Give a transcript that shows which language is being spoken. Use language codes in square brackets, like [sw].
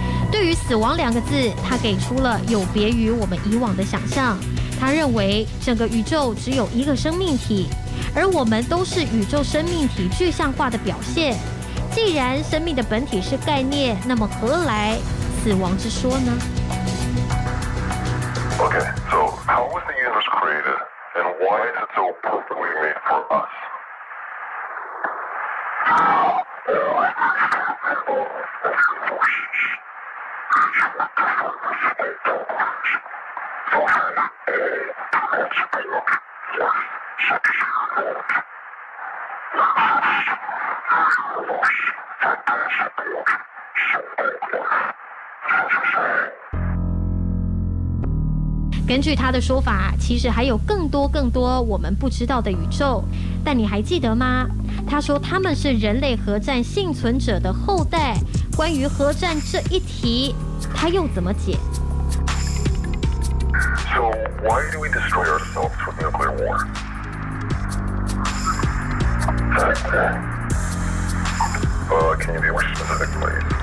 [zh] 对于死亡两个字，他给出了有别于我们以往的想象。他认为整个宇宙只有一个生命体，而我们都是宇宙生命体具象化的表现。既然生命的本体是概念，那么何来死亡之说呢？ [en] OK, so how was the universe created and why is it so perfectly made for us? [zh] 根据他的说法，其实还有更多更多我们不知道的宇宙。但你还记得吗？他说他们是人类核战幸存者的后代。关于核战这一题，他又怎么解？ [en] So why do we destroy ourselves with nuclear war? Can you be more specific, please?